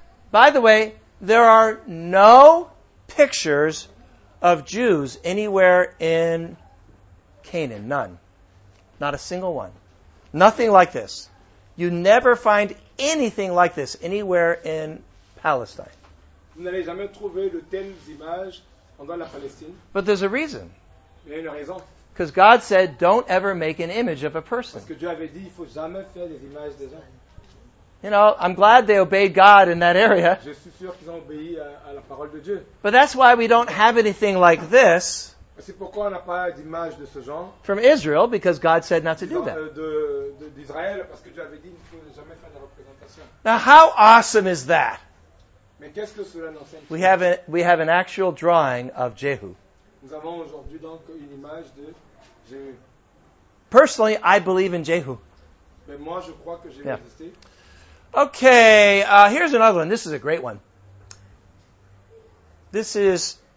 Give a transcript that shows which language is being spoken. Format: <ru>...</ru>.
<en>By the way, there are no pictures of Jews anywhere in Canaan. None. Not a single one. Nothing like this. You never find anything like this anywhere in Palestine.</en> <fr>Vous n'allez jamais trouver de telles images dans la Palestine.</fr> <en>But there's a reason.</en> <fr>Il y a une raison.</fr> <en>Because God said, don't ever make an image of a person.</en> <fr>Parce que Dieu avait dit, il faut jamais faire des images des gens.</fr> <en>You know, I'm glad they obeyed God in that area.</en> <fr>Je suis sûr qu'ils ont obéi à la parole de Dieu.</fr> <en>But that's why we don't have anything like this.</en> <fr>C'est pourquoi on n'a pas d'image de ce genre.</fr> <en>From Israel, because God said not to do that.</en> <fr>D'Israël, parce que Dieu avait dit qu'il ne faut jamais faire de représentation.</fr> <en>Now, how awesome is that?</en> <fr>Mais qu'est-ce que cela n'enseigne?</fr> <en>We have an actual drawing of Jehu.</en> <fr>Nous avons aujourd'hui donc une image de Jehu.</fr> <en>Personally, I believe in Jehu.</en> <fr>Mais moi, je crois que Jehu existait.</fr> <en>Okay, here's another one. This is a great one. This is</en>